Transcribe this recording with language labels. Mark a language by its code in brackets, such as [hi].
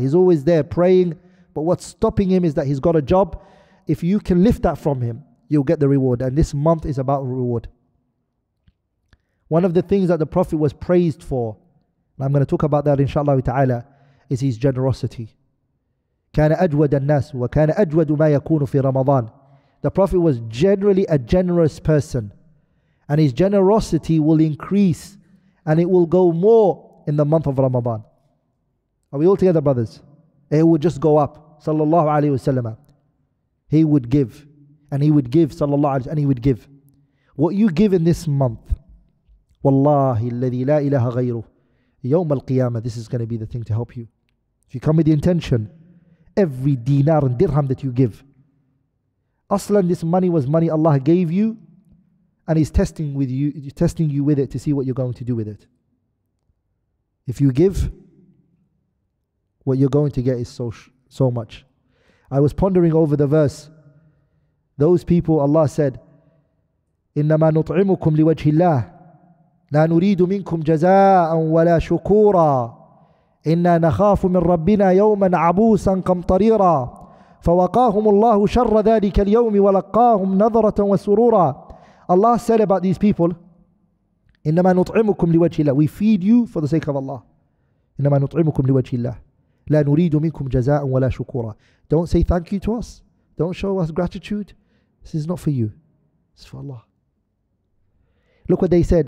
[en] He's always there praying. But what's stopping him is that he's got a job. If you can lift that from him, you'll get the reward. And this month is about reward. One of the things that the Prophet was praised for, and I'm going to talk about that inshallah ta'ala, is his generosity. [ar] كان أجود الناس وكان أجود ما يكون في رمضان. [en] The Prophet was generally a generous person, and his generosity will increase and it will go more in the month of Ramadan. Are we all together, brothers? It will just go up. Sallallahu alayhi wa sallam. He would give, and he would give, sallallahu alayhi wa sallam, and he would give. What you give in this month, wallahi alladhi la ilaha ghayruh, yawm al-qiyamah, this is going to be the thing to help you. If you come with the intention, every dinar and dirham that you give, aslan this money was money Allah gave you, and he's testing you with it to see what you're going to do with it. If you give, what you're going to get is so much. I was pondering over the verse. Those people, Allah said, [ar] إِنَّمَا نُطْعِمُكُمْ لِوَجْهِ اللَّهِ لَا نُرِيدُ مِنْكُمْ جَزَاءً وَلَا شُكُورًا إِنَّا نَخَافُ مِنْ رَبِّنَا يَوْمًا عَبُوسًا قَمْطَرِيرًا فَوَقَاهُمُ اللَّهُ شَرَّ ذَلِكَ الْيَوْمِ وَلَقَّاهُمْ نَظْرَةً وَسُرُورًا. [en] Allah said about these people, [ar] إِنَّمَا نُطْعِمُكُمْ لِوَجْهِ اللَّهِ, [en] we feed you for the sake of Allah. [ar] إِنَّمَا نُطْعِمُكُمْ لِوَجْهِ اللَّهِ لَا نُرِيدُ مِنْكُمْ جَزَاءً وَلَا شُكُورًا. [en] Don't say thank you to us. Don't show us gratitude. This is not for you. It's for Allah. Look what they said.